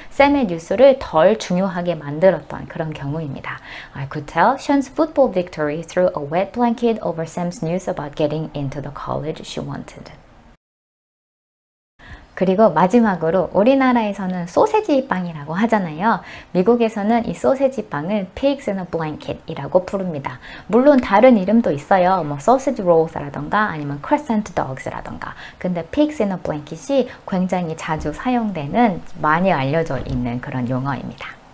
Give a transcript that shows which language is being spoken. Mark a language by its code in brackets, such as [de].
[ko] Sam의 뉴스를 덜 중요하게 만들었던 그런 경우입니다. [en] I could tell Shun's football victory threw a wet blanket over Sam's news about getting into the college she wanted. [ko] 그리고 마지막으로 우리나라에서는 소세지 빵이라고 하잖아요. 미국에서는 이 소세지 빵을 pigs in a blanket이라고 부릅니다. 물론 다른 이름도 있어요. 뭐 sausage rolls라던가 아니면 crescent dogs라던가. 근데 pigs in a blanket이 굉장히 자주 사용되는 많이 알려져 있는 그런 용어입니다.